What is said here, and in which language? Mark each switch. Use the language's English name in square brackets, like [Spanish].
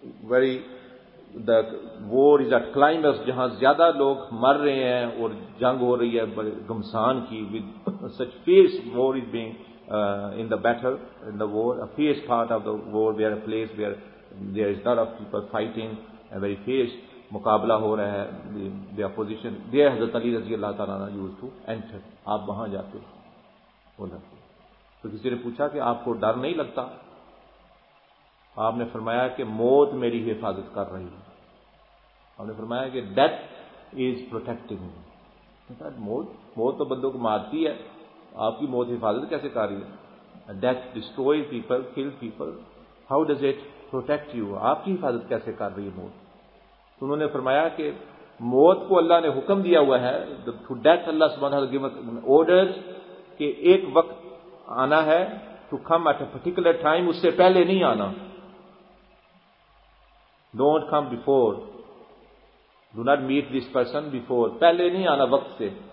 [English] very the war is at climax, [Urdu] جہاں زیادہ لوگ مر رہے ہیں اور جنگ ہو رہی ہے بڑے گمسان کی، [English] with such fierce war is being in the battle in the war, fierce part of the war, we are a place where there is lot of people fighting, very fierce [Urdu] مقابلہ ہو رہا ہے، [English] The opposition دے. [Urdu] حضرت علی رضی اللہ تعالیٰ [English] use to enter, [Urdu] آپ وہاں جاتے ہیں. تو کسی نے پوچھا کہ آپ کو ڈر نہیں لگتا؟ آپ نے فرمایا کہ موت میری حفاظت کر رہی ہے. آپ نے فرمایا کہ [English] Death is protecting me. [Urdu] موت تو بندوں کو مارتی ہے، آپ کی موت حفاظت کیسے کر رہی ہے؟ [English] Death destroys people, kill people, how does it protect you? [Urdu] آپ کی حفاظت کیسے کر رہی ہے موت؟ تو انہوں نے فرمایا کہ موت کو اللہ نے حکم دیا ہوا ہے، [English] to death اللہ سبحانہ وتعالیٰ آرڈرز، [Urdu] کہ ایک وقت آنا ہے، [English] to come at a particular time, [Urdu] اس سے پہلے نہیں آنا، [English] don't come before, do not meet this person before, [Urdu] پہلے نہیں آنا وقت سے.